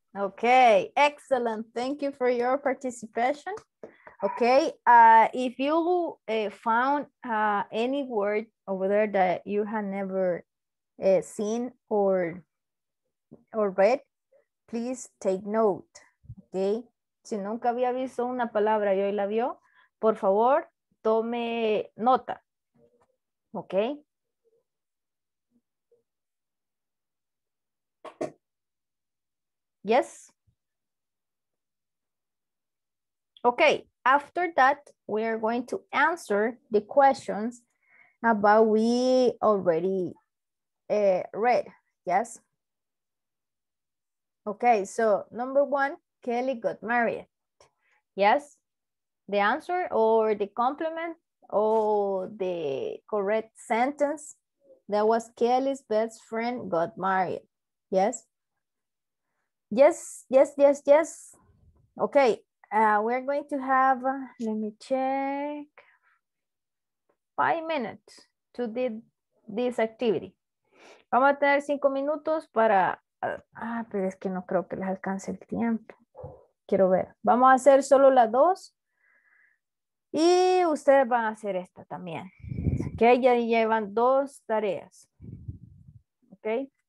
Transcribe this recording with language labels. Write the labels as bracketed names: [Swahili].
[English] Okay, excellent. Thank you for your participation. Okay, if you found any word over there that you had never seen or read, please take note. [Spanish] Okay, si nunca había visto una palabra y hoy la vio, por favor, tome nota. [English] Okay. Yes. Okay. After that, we are going to answer the questions about we already read. Yes. Okay. So number one, Kelly got married. Yes. The answer or the compliment? Oh, the correct sentence, that was Kelly's best friend got married. Yes? Yes, yes, yes, yes. Okay, we're going to have, let me check, 5 minutes to do this activity. [Spanish] Vamos a tener 5 minutos para, pero es que no creo que les alcance el tiempo. Quiero ver. Vamos a hacer solo las dos. Y ustedes van a hacer esta también, que ya llevan 2 tareas, ¿ok?